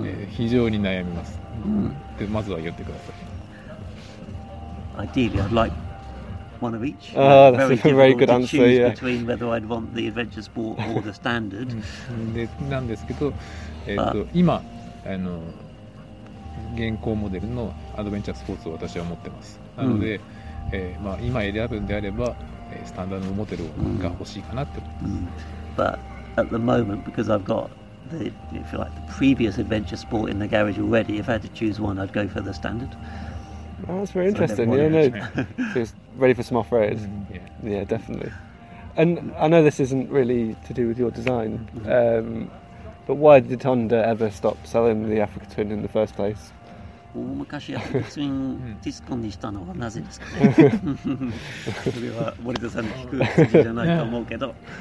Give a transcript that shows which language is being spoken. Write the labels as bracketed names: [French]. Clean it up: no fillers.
[Japanese] 非常に悩みます。で、まずは言ってください。 [English] Ideally, I'd like... one of each. That's very a very good to answer, yeah. Between whether I'd want the adventure sport or the standard. [Japanese] なんですけど、今あの現行モデルのアドベンチャースポーツを私は持ってます。なので、まあ今選ぶんであれば、スタンダードモデルが欲しいかなって思います。 [English] But at the moment, because I've got the, if you like, the previous adventure sport in the garage already, if I had to choose one, I'd go for the standard. Oh, that's very interesting. So yeah, no, it's ready for some off-road. Yeah, definitely. And I know this isn't really to do with your design, but why did Honda ever stop selling the Africa Twin in the first place? [Japanese] Oh, 昔アフリカツインディスコにしたのはなぜですかね？それは森田さんに聞く筋じゃないと思うけど。